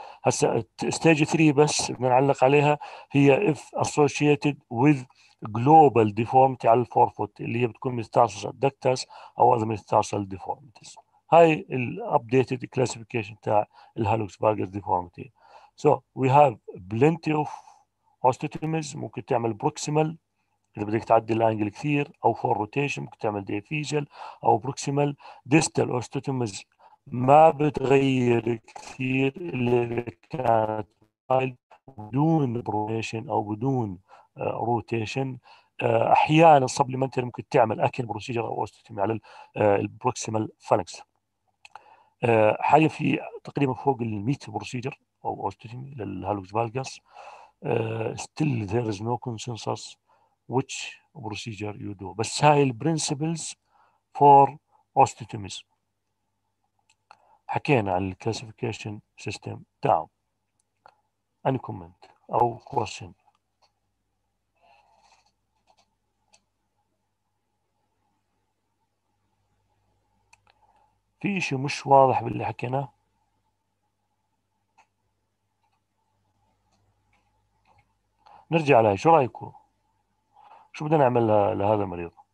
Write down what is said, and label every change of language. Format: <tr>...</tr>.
<ar>هسه ستيج 3 بس بدنا نعلق عليها، هي</ar> <en>اف associated with global deformity</en> <ar>على الفور فوت اللي هي بتكون ميتاتارسل ادكتس او اذا ميتاتارسل ديفورميتس.</ar> <en>هاي الابديتد كلاسيفيكيشن تاع الهالوكس فالجس ديفورميتي. So we have plenty of osteotomies.</en> <ar>ممكن تعمل proximal إذا بدك تعدي الأنجل كثير، أو</ar> <en>for rotation</en> <ar>ممكن تعمل diaphyseal أو proximal. Distal osteotomies ما بتغير كثير اللي كانت بدون pronation أو بدون rotation. أحيانا supplementary ممكن تعمل أكل بروسيجر أو osteotomy على proximal phalanx. حاليا في تقريبا فوق 100 بروسيجر أو أوستيتومي للهالوكس فالجس.</ar> <en>Still there is no consensus which procedure you do. بس هاي البرينسيبلز فور أوستيتوميز.</en> <ar>حكينا عن الكلاسيفيكيشن سيستم تاعو.</ar> <en>Any comment</en> <ar>أو question؟ في شيء مش واضح باللي حكينا؟ نرجع عليها، شو رأيكم؟ شو بدنا نعمل لهذا المريض؟</ar>